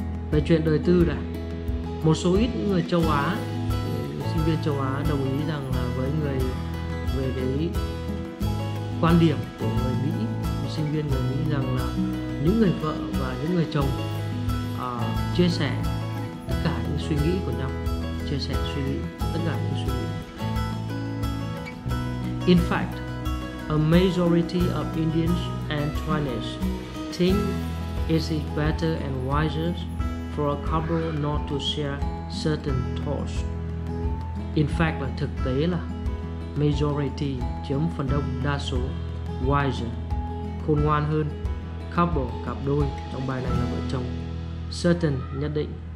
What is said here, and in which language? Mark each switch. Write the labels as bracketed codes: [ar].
[vi] Về chuyện đời tư này, một số ít những người châu Á, sinh viên châu Á đồng ý rằng là với người, về cái quan điểm của người Mỹ, một sinh viên người Mỹ rằng là những người vợ và những người chồng chia sẻ tất cả những suy nghĩ của nhau, chia sẻ suy nghĩ, tất cả những suy nghĩ. [en] In fact, a majority of Indians and Chinese think it is better and wiser for a couple not to share certain thoughts. [vi] In fact, là thực tế là majority, chiếm phần đông, đa số, wiser, khôn ngoan hơn, couple, cặp đôi, trong bài này là vợ chồng, certain, nhất định.